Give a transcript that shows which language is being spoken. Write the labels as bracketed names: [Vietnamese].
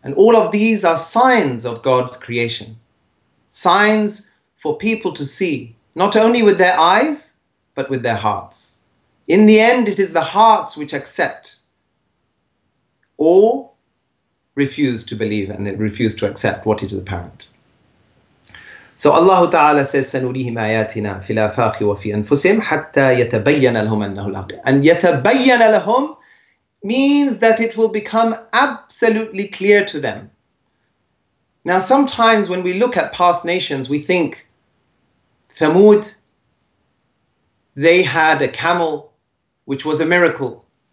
[English] And all of these are signs of God's creation, signs for people to see, not only with their eyes, but with their hearts. In the end, it is the hearts which accept or refuse to believe and refuse to accept what is apparent. So Allah Ta'ala says, [Arabic] سَنُرِيهِمْ آيَاتِنَا فِي الْآفَاقِ وَفِي أَنفُسِهِمْ حَتَّى يَتَبَيَّنَ لَهُمْ أَنَّهُ الْحَقِّ. [English] And [Arabic] يَتَبَيَّنَ لَهُمْ [English] means that it will become absolutely clear to them. Now, sometimes when we look at past nations, we think, Thamud, they had a camel, which was a miracle.